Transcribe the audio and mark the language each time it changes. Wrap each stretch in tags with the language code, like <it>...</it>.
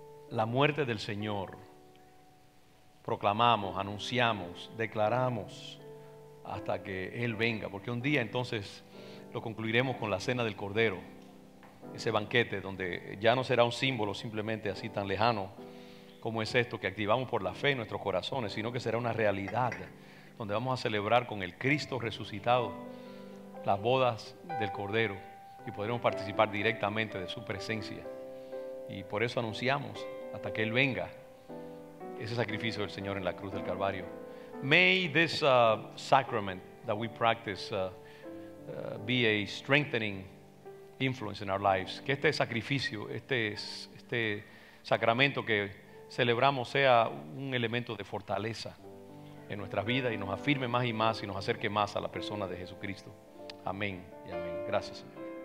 <es>la muerte del Señor, proclamamos, anunciamos, declaramos hasta que Él venga, porque un día entonces lo concluiremos con la cena del Cordero, ese banquete donde ya no será un símbolo simplemente así tan lejano como es esto que activamos por la fe en nuestros corazones, sino que será una realidad donde vamos a celebrar con el Cristo resucitado las bodas del Cordero y podremos participar directamente de su presencia. Y por eso anunciamos hasta que Él venga ese sacrificio del Señor en la cruz del Calvario.</es> <en>May this sacrament that we practice be a strengthening influence in our lives.</en> <es>Que este sacrificio, este sacramento que celebramos, sea un elemento de fortaleza en nuestras vidas y nos afirme más y más y nos acerque más a la persona de Jesucristo. Amén y amén. Gracias, Señor.</es>